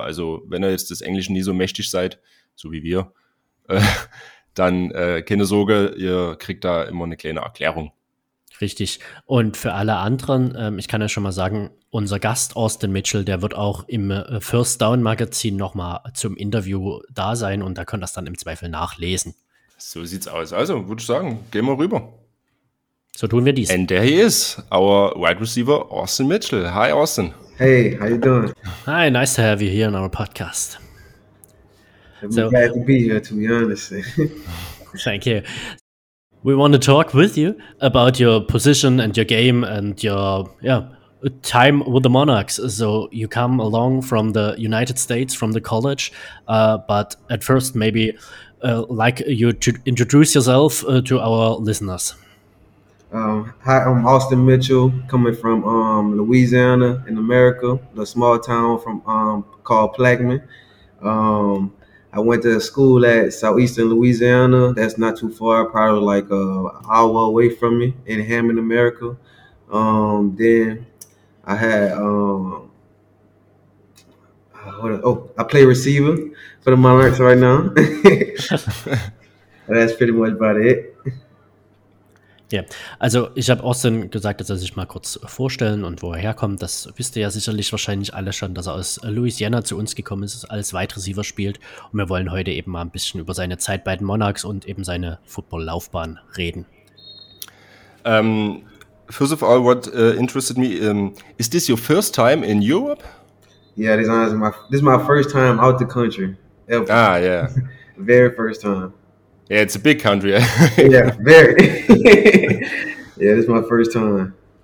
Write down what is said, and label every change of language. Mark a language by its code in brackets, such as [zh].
[de] Also, wenn ihr jetzt das Englische nie so mächtig seid, so wie wir, dann keine Sorge, ihr kriegt da immer eine kleine Erklärung. Richtig. Und für alle anderen, ich kann ja schon mal sagen, unser Gast Austin Mitchell, der wird auch im First Down Magazin nochmal zum Interview da sein und da könnt ihr das dann im Zweifel nachlesen. So sieht's aus. Also, würde ich sagen, gehen wir rüber. So tun wir dies. [en] And there he is, our Wide Receiver Austin Mitchell. Hi Austin. Hey, how you doing? Hi, nice to have you here on our podcast. I'm glad to be here, to be honest. Thank you. We want to talk with you about your position and your game and your time with the Monarchs. So you come along from the United States, from the college, but at first maybe like you to introduce yourself to our listeners. Hi, I'm Austin Mitchell, coming from Louisiana in America, the small town from called Plaquemine. I went to school at Southeastern Louisiana. That's not too far, probably like an hour away from me in Hammond, America. I play receiver for the Monarchs right now. That's pretty much about it. [de] Ja, also ich habe Austin gesagt, dass er sich mal kurz vorstellen und wo er herkommt. Das wisst ihr ja sicherlich wahrscheinlich alle schon, dass er aus Louisiana zu uns gekommen ist, als Wide Receiver spielt. Und wir wollen heute eben mal ein bisschen über seine Zeit bei den Monarchs und eben seine Football-Laufbahn reden. [en] First of all, what interested me, is this your first time in Europe? Yeah, this is my first time out the country. Ever. Ah, yeah. Very first time. Yeah, it's a big country. Yeah, very. Yeah, this is my first time.